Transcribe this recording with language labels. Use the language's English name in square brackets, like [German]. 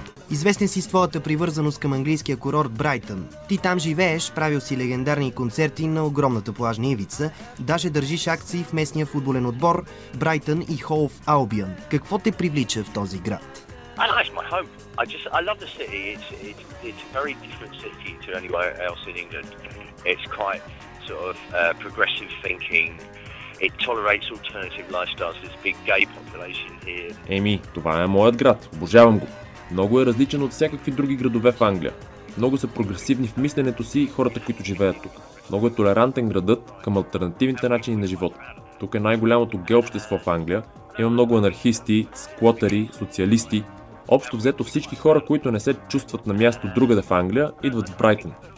[Bulgarian] Известен си с твоята привързаност към английския курорт Брайтън. Ти там живееш, правил си легендарни концерти на огромната плажна ивица, даже държиш акции в местния футболен отбор Брайтън и Хоув Албион. Какво те привлича в този град? [English] It's my home. I love the city. It's a very different city to anywhere else in England. It's quite sort of progressive thinking. It tolerates alternative lifestyles. There's a big gay population here. [Bulgarian] Еми, това е моят град. Обожавам го. Много е различен от всякакви други градове в Англия. Много са прогресивни в мисленето си хората, които живеят тук. Много е толерантен градът към алтернативните начини на живот. Тук е най-голямото гей общество в Англия. Има много анархисти, сквотери, социалисти. Общо взето всички хора, които не се чувстват на място другаде в Англия, идват в Брайтън.